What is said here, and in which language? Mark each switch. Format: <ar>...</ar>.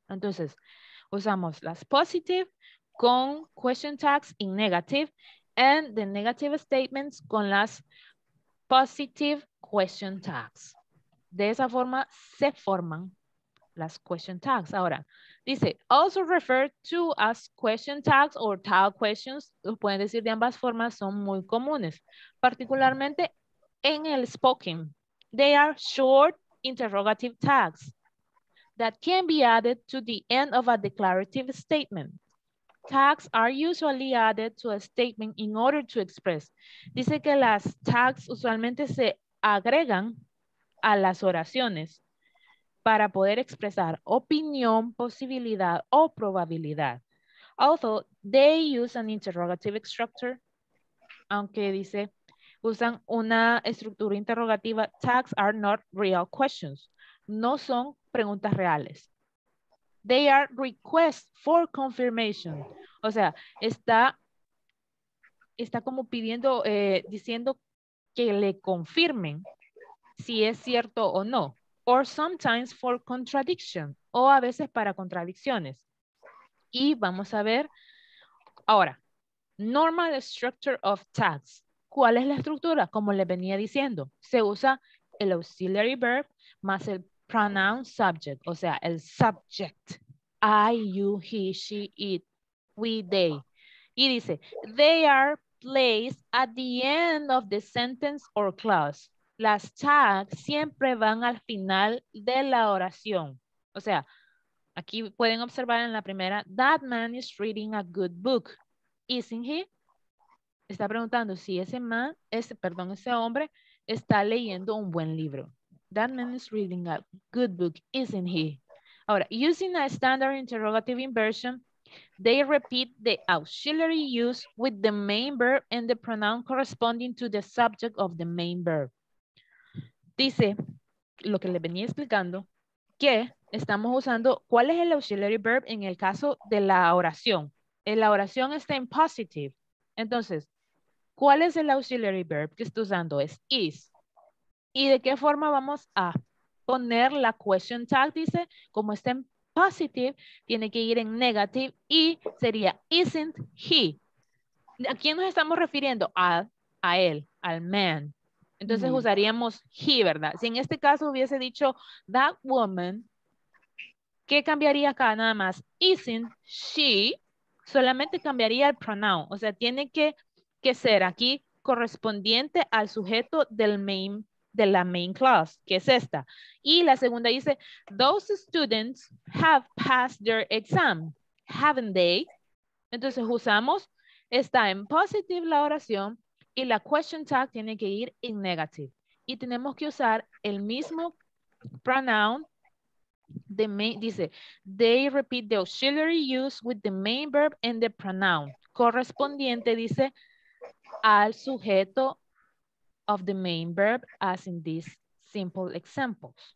<es>Entonces, usamos las positive con</es> <en>question tags in negative</en> <es>and the negative statements con las positive question tags. De esa forma se forman las question tags.</es> <en>Ahora, dice, also referred to as question tags or tag questions.</en> <es>Lo pueden decir de ambas formas, son muy comunes, particularmente en el spoken.</es> <en>They are short interrogative tags that can be added to the end of a declarative statement. Tags are usually added to a statement in order to express.</en> <es>Dice que las tags usualmente se agregan a las oraciones para poder expresar opinión, posibilidad o probabilidad.</es> <en>Although they use an interrogative structure,</en> <es>aunque dice, usan una estructura interrogativa,</es> <en>tags are not real questions.</en> <es>No son preguntas reales.</es> <en>They are requests for confirmation.</en> <es>O sea, está como pidiendo, diciendo que le confirmen si es cierto o no.</es> <en>Or sometimes for contradiction,</en> <es>o a veces para contradicciones. Y vamos a ver ahora,</es> <en>normal structure of tags.</en> <es>¿Cuál es la estructura? Como les venía diciendo, se usa el auxiliary verb más el pronoun subject, o sea, el subject.</es> <en>I, you, he, she, it, we, they. Y dice, they are placed at the end of the sentence or clause.</en> <es>Las tags siempre van al final de la oración. O sea, aquí pueden observar en la primera,</es> <en>that man is reading a good book, isn't he?</en> <es>Está preguntando si ese hombre está leyendo un buen libro.</es> <en>That man is reading a good book, isn't he? Ahora, using a standard interrogative inversion, they repeat the auxiliary use with the main verb and the pronoun corresponding to the subject of the main verb.</en> <es>Dice, lo que le venía explicando, que estamos usando, ¿cuál es el auxiliary verb en el caso de la oración? La oración está en positive. Entonces, ¿cuál es el auxiliary verb que está usando? Es is. ¿Y de qué forma vamos a poner la question tag? Dice, como está en positive, tiene que ir en negative y sería</es> <en>isn't he.</en> <es>¿A quién nos estamos refiriendo? A él, al man. Entonces usaríamos he, ¿verdad? Si en este caso hubiese dicho that woman, ¿qué cambiaría acá? Nada más,</es> <en>isn't she,</en> <es>solamente cambiaría el pronoun. O sea, tiene que ser aquí correspondiente al sujeto del main, de la main clause, que es esta.</es> <en>Y la segunda dice, those students have passed their exam, haven't they?</en> <es>Entonces usamos, está en positive la oración, y la question tag tiene que ir en negative. Y tenemos que usar el mismo pronoun.</es> <en>The main, dice, they repeat the auxiliary use with the main verb and the pronoun. Correspondiente, dice, al sujeto of the main verb, as in these simple examples.</en>